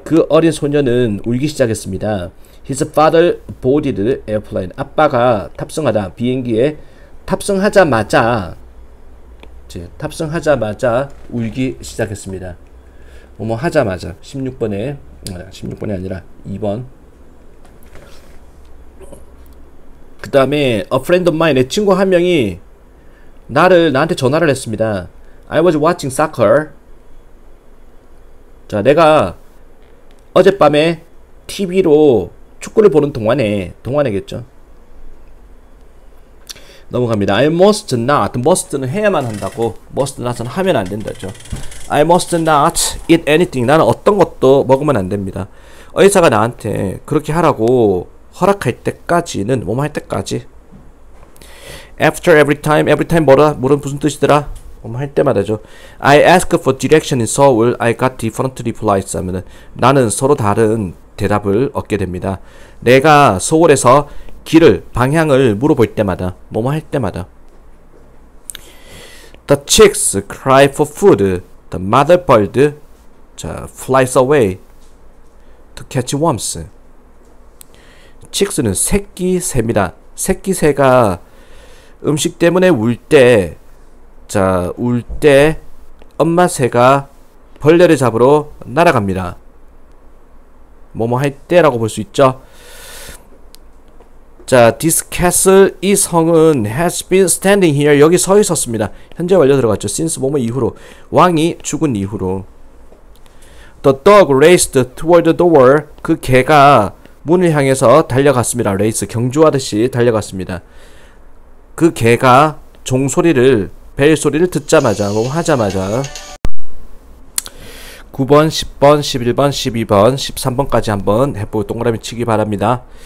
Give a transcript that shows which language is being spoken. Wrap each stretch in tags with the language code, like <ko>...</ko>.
<ko>그 어린 소년은 울기 시작했습니다.</ko> <en>His father boarded airplane.</en> <ko>아빠가 탑승하다 비행기에 탑승하자마자 이제 탑승하자마자 울기 시작했습니다. 뭐뭐 하자마자 16번에 16번이 아니라 2번. 그 다음에 a friend of mine의 친구 한 명이 나한테 전화를 했습니다.</ko> <en>I was watching soccer.</en> <ko>자, 내가 어젯밤에 TV로 축구를 보는 동안에겠죠. 넘어갑니다.</ko> <en>I must not.</en> <ko>must는 해야만 한다고. must not은 하면 안 된다죠.</ko> <en>I must not eat anything.</en> <ko>나는 어떤 것도 먹으면 안 됩니다. 의사가 나한테 그렇게 하라고 허락할 때까지는, 뭐뭐 할 때까지.</ko> <en>After every time</en> <ko>뭐라 물은 무슨 뜻이더라? 할 때마다죠.</ko> <en>I ask for direction in Seoul. I got different replies.</en> <ko>하면은 나는 서로 다른 대답을 얻게 됩니다. 내가 서울에서 길을 방향을 물어볼 때마다 뭐뭐 할 때마다.</ko> <en>The chicks cry for food. The mother bird 자, flies away to catch worms.</en> <ko>Chicks는 새끼 새입니다. 새끼 새가 음식 때문에 울 때, 자, 울 때, 엄마 새가 벌레를 잡으러 날아갑니다. 뭐뭐 할 때라고 볼수 있죠.</ko> <en>자, this castle,</en> <ko>이 성은</ko> <en>has been standing here.</en> <ko>여기 서 있었습니다. 현재 완료 들어갔죠. Since 뭐뭐 이후로. 왕이 죽은 이후로.</ko> <en>The dog raced toward the door.</en> <ko>그 개가 문을 향해서 달려갔습니다.</ko> <en>race.</en> <ko>경주하듯이 달려갔습니다. 그 개가 종소리를, 벨 소리를 듣자마자, 뭐 하자마자. 9번, 10번, 11번, 12번, 13번까지 한번 해보고 동그라미 치기 바랍니다.</ko>